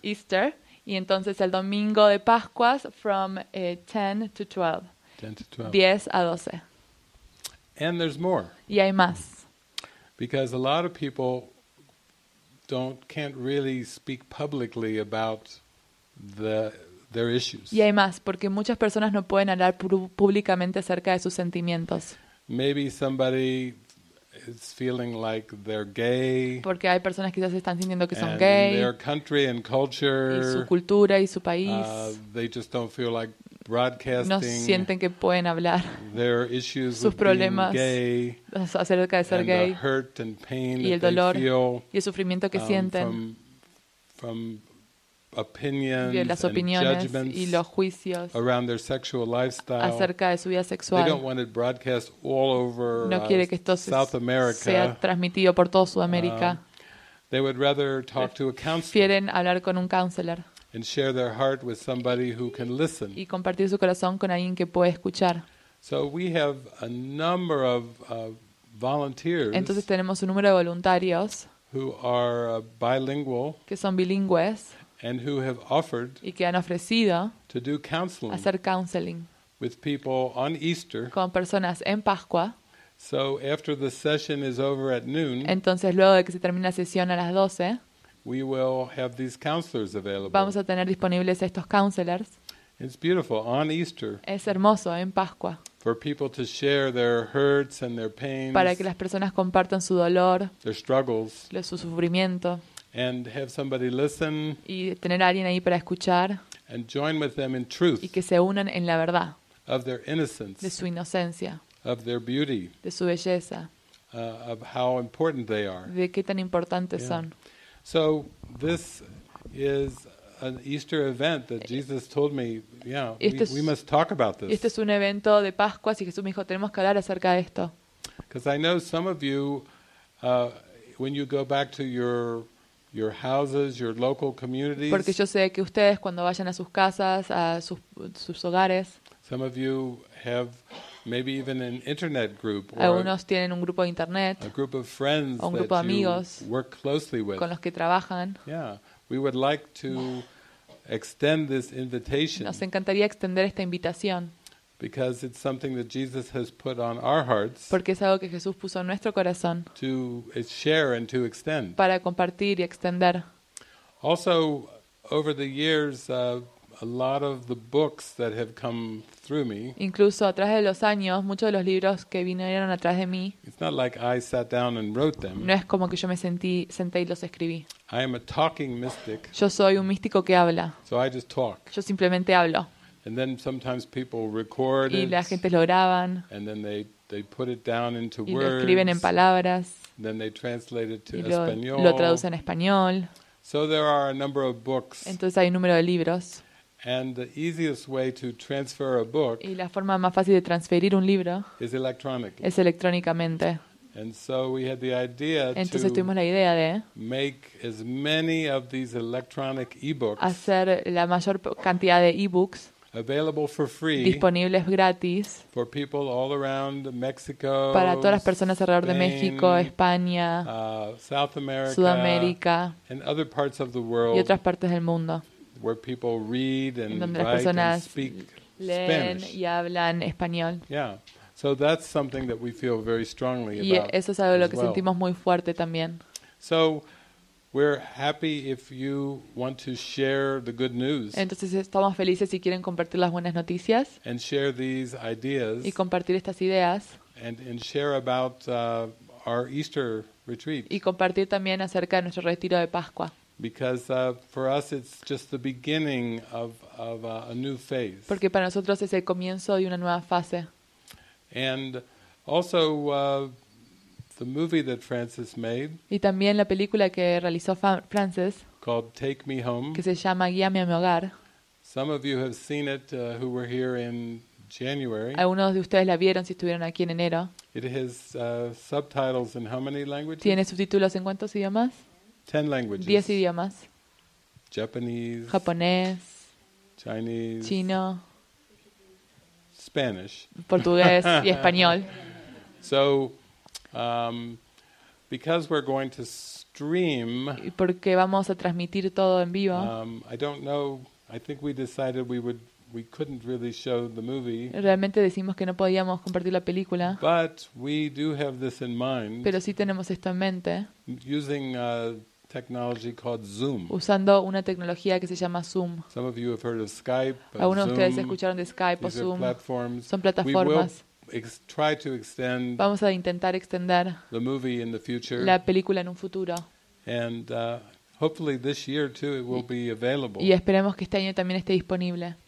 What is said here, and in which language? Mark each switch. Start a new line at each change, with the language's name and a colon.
Spanish: y entonces el domingo de Pascuas
English: from 10 to 12,
Spanish: 10 a 12.
English: And there's more.
Spanish: Y hay más.
English: Because a lot of people can't really speak publicly about their issues.
Spanish: Y hay más, porque muchas personas no pueden hablar públicamente acerca de sus sentimientos.
English: Maybe somebody is feeling like they're gay.
Spanish: Porque hay personas que quizás están sintiendo que son gay.
English: And their country and culture.
Spanish: Y su cultura y su país.
English: They just don't feel like broadcasting.
Spanish: No sienten que pueden hablar.
English: Their issues
Spanish: sus problemas
English: with being gay.
Spanish: Acerca de ser
English: and
Spanish: gay.
English: The hurt and pain
Spanish: y el dolor
English: they feel,
Spanish: y el sufrimiento que sienten.
English: From opinions,
Spanish: las opiniones
English: and judgments
Spanish: y los juicios
English: around their sexual lifestyle.
Spanish: Acerca de su vida sexual.
English: They don't want it broadcast all over
Spanish: no quiere que esto
English: South America.
Spanish: Sea transmitido por toda Sudamérica.
English: They would rather talk to a counselor.
Spanish: Prefieren hablar con un counselor.
English: And share their heart with somebody who can listen.
Spanish: Y compartir su corazón con alguien que puede escuchar.
English: So we have a number of volunteers.
Spanish: Entonces tenemos un número de voluntarios
English: who are bilingual.
Spanish: Que son bilingües.
English: And who have offered
Spanish: y que han ofrecido
English: to do counseling,
Spanish: hacer counseling
English: with people on Easter,
Spanish: con personas en Pascua.
English: So after the session is over at noon,
Spanish: entonces luego de que se termine la sesión a las 12,
English: we will have these counselors available.
Spanish: Vamos a tener disponibles estos counselors.
English: It's beautiful on Easter.
Spanish: Es hermoso en Pascua.
English: For people to share their hurts and their pains,
Spanish: para que las personas compartan su dolor,
English: their struggles,
Spanish: su sufrimiento.
English: and have somebody listen.
Spanish: Y tener a alguien ahí para escuchar.
English: And join with them in truth.
Spanish: Y que se unan en la verdad.
English: Of their innocence.
Spanish: De su inocencia.
English: Of their beauty.
Spanish: De su belleza.
English: Of how important they are.
Spanish: De qué tan importantes son.
English: So this is an Easter event that Jesus told me, we must talk about this.
Spanish: Este es un evento de Pascua y Jesús me dijo, tenemos que hablar acerca de esto.
English: Because I know some of you, when you go back to your houses, your local communities.
Spanish: Porque yo sé que ustedes cuando vayan a sus casas, a sus hogares.
English: Some of you have maybe even an internet group.
Spanish: Algunos tienen un grupo de internet.
English: A group of friends.
Spanish: Un grupo de amigos.
English: Work closely with.
Spanish: Con los que trabajan.
English: Yeah, we would like to extend this invitation.
Spanish: Nos encantaría extender esta invitación.
English: Because it's something that Jesus has put on our hearts.
Spanish: Porque es algo que Jesús puso en nuestro corazón.
English: To share and to extend.
Spanish: Para compartir y extender.
English: Also, over the years, a lot of the books that have come through me.
Spanish: Incluso a través de los años, muchos de los libros que vinieron a través de mí.
English: It's not like I sat down and wrote them.
Spanish: No es como que yo me senté y los escribí.
English: I am a talking mystic.
Spanish: Yo soy un místico que habla.
English: So I just talk.
Spanish: Yo simplemente hablo.
English: And then sometimes people record it.
Spanish: Y la gente lo graban.
English: And then they put it down into words.
Spanish: Y lo escriben en palabras.
English: Then they translate it to
Spanish: español. Lo traducen a español.
English: So there are a number of books.
Spanish: Entonces hay un número de libros.
English: And the easiest way to transfer a book.
Spanish: Y la forma más fácil de transferir un libro.
English: Is electronically.
Spanish: Es electrónicamente.
English: And so we had the idea to.
Spanish: Entonces tuvimos la idea de.
English: Make as many of these electronic e-books.
Spanish: Hacer la mayor cantidad de e-books.
English: Available for free.
Spanish: Disponibles gratis.
English: For people all around Mexico.
Spanish: Para todas las personas alrededor de México, España,
English: South America,
Spanish: Sudamérica,
English: and other parts of the world.
Spanish: Y otras partes del mundo.
English: Where people read and write and speak
Spanish: Spanish. Leen y hablan español.
English: Yeah. So that's something that we feel very strongly about.
Spanish: Y eso es algo lo que sentimos muy fuerte también.
English: So we're happy if you want to share the good news.
Spanish: Entonces estamos felices si quieren compartir las buenas noticias.
English: And share these ideas.
Spanish: Y compartir estas ideas.
English: And share about our Easter retreat.
Spanish: Y compartir también acerca de nuestro retiro de Pascua.
English: Because for us it's just the beginning of a new phase.
Spanish: Porque para nosotros es el comienzo de una nueva fase.
English: And also the movie that Francis made.
Spanish: Y también la película que realizó Francis.
English: Called Take Me Home.
Spanish: Que se llama Guíame a mi hogar.
English: Some of you have seen it who were here in January.
Spanish: Algunos de ustedes la vieron si estuvieron aquí en enero.
English: It has subtitles in how many languages?
Spanish: Tiene subtítulos en cuántos idiomas?
English: 10 languages.
Spanish: 10 idiomas.
English: Japanese.
Spanish: Japonés.
English: Chinese.
Spanish: Chino.
English: Spanish.
Spanish: Portugués y español.
English: So, because we're going to stream.
Spanish: Y porque vamos a transmitir todo en vivo.
English: I don't know. I think we decided we couldn't really show the movie.
Spanish: Realmente decimos que no podíamos compartir la película.
English: But we do have this in mind.
Spanish: Pero sí tenemos esto en mente.
English: Using technology called Zoom.
Spanish: Usando una tecnología que se llama Zoom.
English: Some of you have heard of Skype.
Spanish: Algunos de ustedes escucharon de Skype o Zoom.
English: Platforms.
Spanish: Son plataformas.
English: Try to extend.
Spanish: Vamos a intentar extender.
English: The movie in the future.
Spanish: La película en un futuro.
English: And hopefully this year too it will be available.
Spanish: Y esperemos que este año también esté disponible.